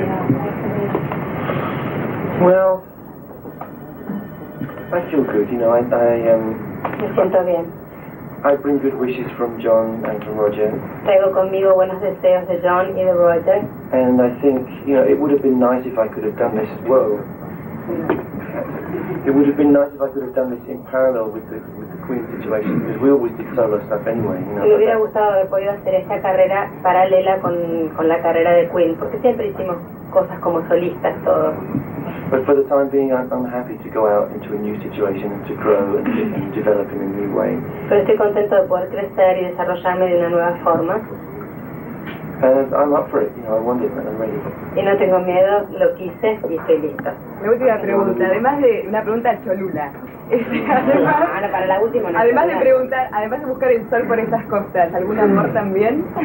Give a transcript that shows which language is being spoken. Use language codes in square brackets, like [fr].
[en] and how do you see the future with Back to the Line? Well, I feel good, you know, I [es] Me siento bien. [en] I bring good wishes from John and from Roger. [es] Traigo conmigo buenos deseos de John y de Roger. [en] And I think, you know, it would have been nice if I could have done this, whoa. It would have been nice if I could have done this in parallel with the Queen situation, because we always did solo stuff anyway, you know. [es] Me hubiera gustado haber podido hacer esta carrera paralela con la carrera de Queen, porque siempre hicimos cosas como solistas todos. [en] But for the time being, I'm happy to go out into a new situation and to grow and develop in a new way. [es] Pero estoy contento de poder crecer y desarrollarme de una nueva forma. [en] And I'm up for it, you know, I want it and I'm ready. [es] Y no tengo miedo, lo quise y estoy listo. La última pregunta, además de una pregunta cholula. Además de preguntar, además de buscar el sol por estas costas, ¿algún amor también?